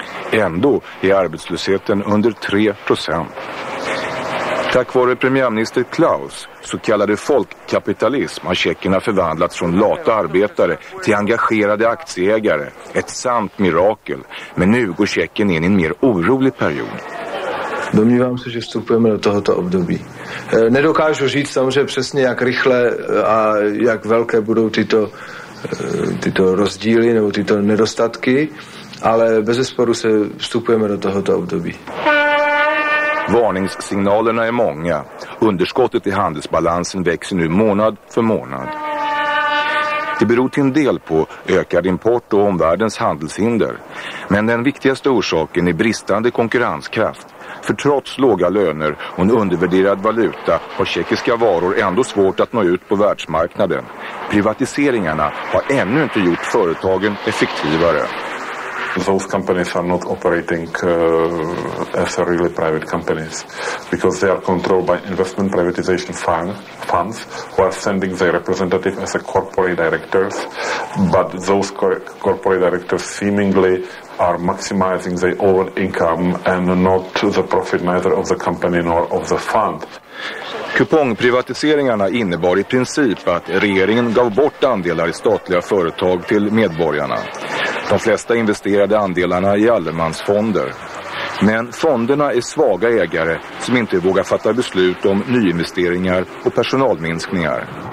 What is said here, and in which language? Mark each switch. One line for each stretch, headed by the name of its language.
Swedish: Ändå är arbetslösheten under 3%. Tack vare premiärminister Klaus så kallade folkkapitalism har tjeckerna förvandlats från lata arbetare till engagerade aktieägare. Ett sant mirakel. Men nu går Tjeckien in i en mer orolig period.
Czech: Domnívám se, že vstupujeme do tohoto období. Nedokážu říct samozřejmě přesně, jak rychle a jak velké budou tyto rozdíly nebo tyto nedostatky, ale bezesporu se vstupujeme do tohoto období.
Swedish: Varningssignalerna är många. Underskottet i handelsbalansen växer nu månad för månad. Det beror till en del på ökad import och omvärldens handelshinder. Men den viktigaste orsaken är bristande konkurrenskraft. För trots låga löner och en undervärderad valuta har tjeckiska varor ändå svårt att nå ut på världsmarknaden. Privatiseringarna har ännu inte gjort företagen effektivare.
English: Those companies are not operating as a really private companies because they are controlled by investment privatization funds who are sending their representative as a corporate directors, but those corporate directors seemingly are maximizing their own income and not the profit neither of the company nor of the fund.
Swedish: Kupongprivatiseringarna innebar i princip att regeringen gav bort andelar i statliga företag till medborgarna. De flesta investerade andelarna i allemansfonder. Men fonderna är svaga ägare som inte vågar fatta beslut om nyinvesteringar och personalminskningar.